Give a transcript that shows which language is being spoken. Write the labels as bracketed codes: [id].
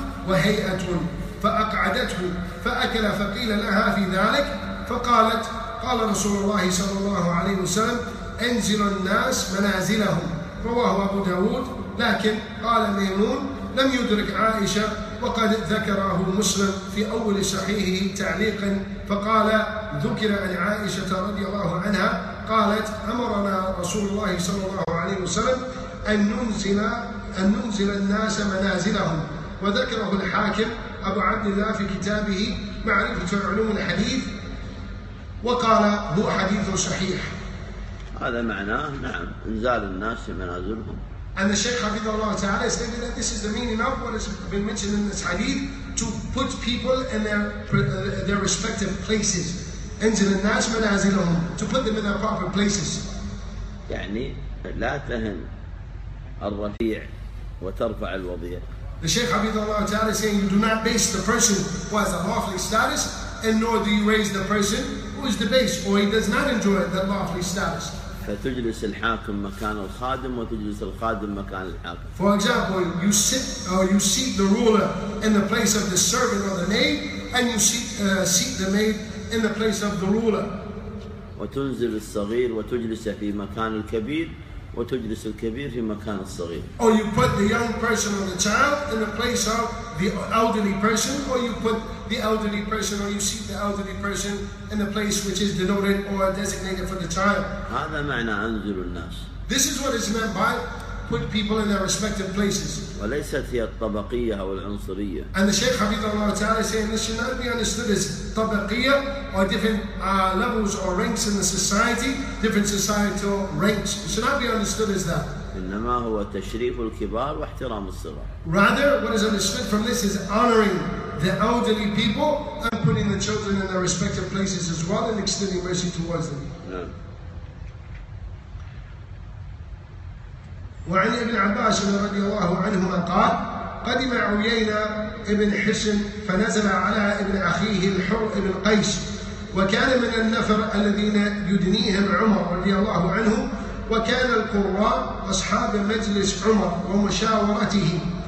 [ar] وهيئة فأقعدته فأكل فقيل لها في ذلك فقالت قال رسول الله صلى الله عليه وسلم انزل الناس منازلهم رواه أبو داود لكن قال ميمون لم يدرك عائشة وقد ذكره مسلم في أول صحيحه تعليقا فقال ذكر عن عائشة رضي الله عنها قالت أمرنا رسول الله صلى الله عليه وسلم أن ننزل الناس منازلهم وذكره الحاكم أبو عبد الله في كتابه معرفة علوم الحديث وقال هو حديث صحيح. هذا معناه نعم إنزال الناس منازلهم. [en] And the Shaykh Hafidhullah Ta'ala stated that this is the meaning of what has been mentioned in this hadith to put people in their respective places into the nas manazilahum, to put them in their proper places. [ar] يعني لا تهن الرفيع وترفع الوضيع. [en] The Shaykh Hafidhullah Ta'ala is saying you do not base the person who has a lawfully status and nor do you raise the person who is debased or he does not enjoy that lawfully status. [ar] فتجلس الحاكم مكان الخادم وتجلس الخادم مكان الحاكم. [en] For example, you sit or you seat the ruler in the place of the servant or the maid, and you seat the maid in the place of the ruler. [ar] وتنزل الصغير وتجلس في مكان الكبير و وتجلس الكبير في مكان الصغير. [en] Or you put the young person or the child in the place of the elderly person, or you put the elderly person or you seat the elderly person in the place which is denoted or designated for the child. [ar] هذا معنى أنزل الناس. [en] This is what is meant by put people in their respective places. [ar] وليست هي الطبقية أو العنصرية. [en] And the Shaykh Hafidhullah Ta'ala saying this should not be understood as طبقية or different levels or ranks in the society, different societal ranks. It should not be understood as that. [ar] إنما هو تشريف الكبار واحترام الصغار. [en] Rather, what is understood from this is honoring the elderly people and putting the children in their respective places as well and extending mercy towards them. [ar] وعن ابن عباس رضي الله عنهما قال قدم عيينة ابن حشم فنزل على ابن أخيه الحر ابن قيس وكان من النفر الذين يدنيهم عمر رضي الله عنه وكان القراء أصحاب مجلس عمر ومشاورته